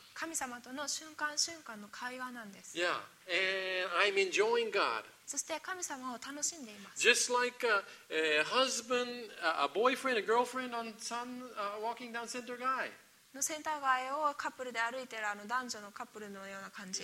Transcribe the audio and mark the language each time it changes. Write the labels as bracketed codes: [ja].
[ja] 神様との瞬間瞬間の会話なんです。 [en] Yeah, and I'm enjoying God. [ja] そして神様を楽しんでいます。 [en] Just like a husband, a boyfriend, a girlfriend on sun, walking down center guy. [ja] のセンター街をカップルで歩いている男女のカップルのような感じ。